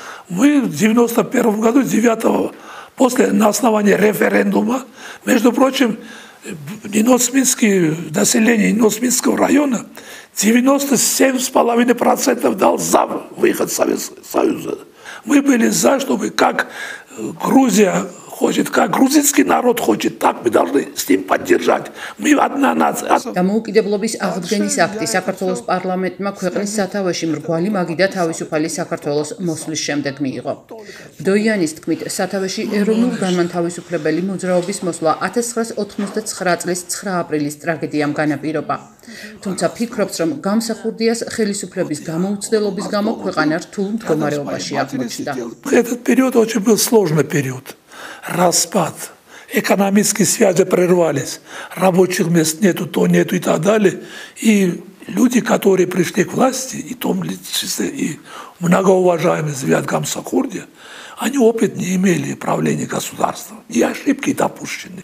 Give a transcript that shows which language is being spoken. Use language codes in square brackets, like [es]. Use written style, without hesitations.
[ru] Мы в 91 году 9 после на основании референдума, между прочим, Ниносминский, население Ниносминского района 97,5% дал за выход Союза. Мы были за, чтобы как Грузия хочет, как грузинский народ хочет, так мы должны с ним поддержать. Мы одна нация. [ka] Დამოუკიდებლობის აღდგენის აქტი საქართველოს პარლამენტმა ქვეყნის სათავეში მრგვალი მაგიდა თავისუფალი საქართველოს მოსვლის შემდეგ მიიღო. ბდოიანის თქმით, სათავეში ეროვნულ განმათავისუფლებელი მოძრაობის მოსვლა 1999 წლის 9 აპრილის ტრაგედიამ განაპირობა. თუმცა ფიქრობს, რომ გამსახურდიას ხელისუფლების გამოუცდელობის გამო ქვეყანა რთულ მდგომარეობაში აღმოჩნდა. [ru] Этот период очень был сложный период. Распад, экономические связи прервались, рабочих мест нету, то нету и так далее. И люди, которые пришли к власти, и в том числе и многоуважаемый Звиад Гамсахурдия, они опыт не имели правления государством, и ошибки допущены.